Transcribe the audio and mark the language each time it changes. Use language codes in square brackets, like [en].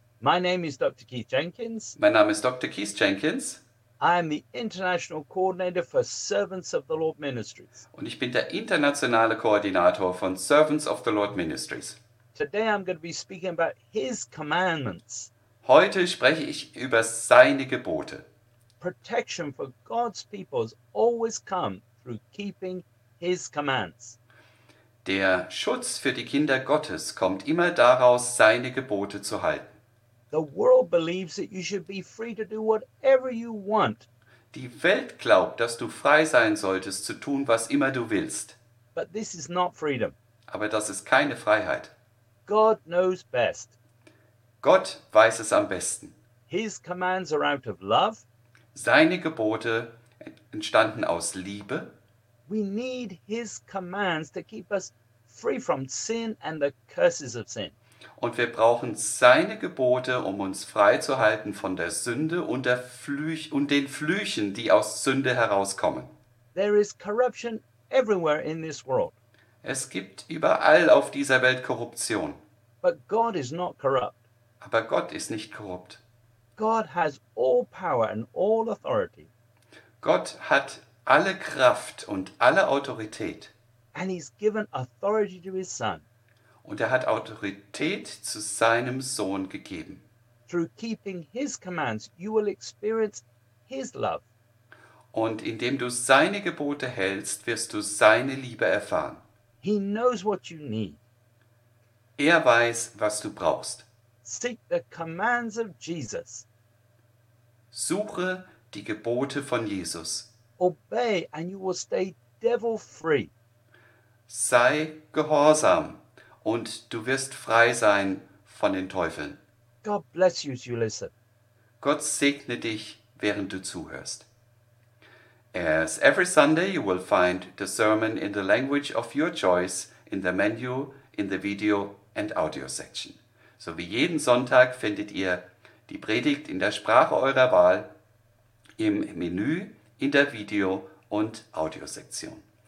[en] My name is Dr. Keith Jenkins. [de] Mein Name ist Dr. Keith Jenkins. [en] I am the International Coordinator for Servants of the Lord Ministries. [de] Und ich bin der internationale Koordinator von Servants of the Lord Ministries. [en] Today I'm going to be speaking about His commandments. [de] Heute spreche ich über seine Gebote. [en] Protection for God's people has always come through keeping His commands. [de] Der Schutz für die Kinder Gottes kommt immer daraus, seine Gebote zu halten. [en] The world believes that you should be free to do whatever you want. [de] Die Welt glaubt, dass du frei sein solltest, zu tun, was immer du willst. [en] But this is not freedom. [de] Aber das ist keine Freiheit. [en] God knows best. [de] Gott weiß es am besten. [en] His commands are out of love. [de] Seine Gebote entstanden aus Liebe. [en] We need his commands to keep us free from sin and the curses of sin. [de] Und wir brauchen seine Gebote, um uns frei zu halten von der Sünde und der den Flüchen, die aus Sünde herauskommen. [en] There is corruption everywhere in this world. [de] Es gibt überall auf dieser Welt Korruption. [en] But God is not corrupt. [de] Aber Gott ist nicht korrupt. [en] God has all power and all authority. [de] Gott hat alle Kraft und alle Autorität. [en] And he's given authority to his son. [de] Und er hat Autorität zu seinem Sohn gegeben. [en] Through keeping his commands, you will experience his love. [de] Und indem du seine Gebote hältst, wirst du seine Liebe erfahren. [en] He knows what you need. [de] Er weiß, was du brauchst. [en] Seek the commands of Jesus. [de] Suche die Gebote von Jesus. [en] Obey and you will stay devil free. [de] Sei gehorsam und du wirst frei sein von den Teufeln. [en] God bless you as you listen. [de] Gott segne dich, während du zuhörst. [en] As every Sunday you will find the sermon in the language of your choice in the menu in the video and audio section. [de] So wie jeden Sonntag findet ihr die Predigt in der Sprache eurer Wahl im Menü in der Video- und Audiosektion.